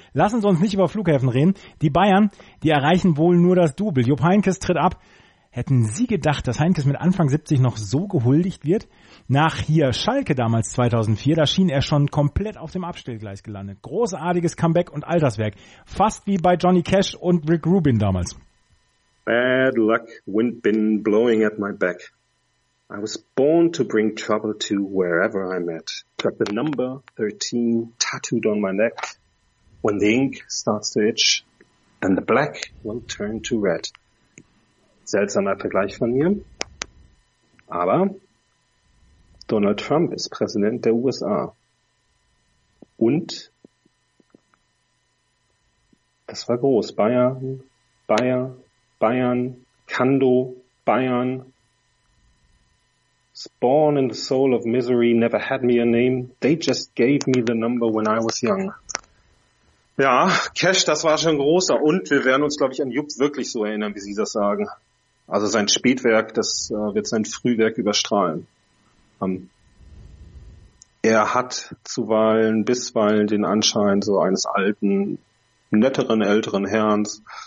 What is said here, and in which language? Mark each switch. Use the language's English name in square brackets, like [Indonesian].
[German] Lass uns sonst nicht über Flughäfen reden. Die Bayern, die erreichen wohl nur das Double. Jupp Heynckes tritt ab. Hätten Sie gedacht, dass Heynckes mit Anfang 70 noch so gehuldigt wird? Nach hier Schalke damals 2004, da schien er schon komplett auf dem Abstellgleis gelandet. Großartiges Comeback und Alterswerk. Fast wie bei Johnny Cash und Rick Rubin damals. [English] Bad luck, wind been blowing at my back. I was born to bring trouble to wherever I'm at. Got the number 13 tattooed on my neck. When the ink starts to itch, then the black will turn to red. [German] Seltsamer Vergleich von mir. Aber Donald Trump ist Präsident der USA. Und das war groß. Bayern, Bayer, Bayern, Kando, Bayern. [English] Born in the soul of misery, never had me a name. They just gave me the number when I was young. [German] Ja, Cash, das war schon großer. Und wir werden uns, glaube ich, an Jupp wirklich so erinnern, wie Sie das sagen. Also sein Spätwerk, das wird sein Frühwerk überstrahlen. Er hat zuweilen, bisweilen den Anschein so eines alten, netteren, älteren Herrns.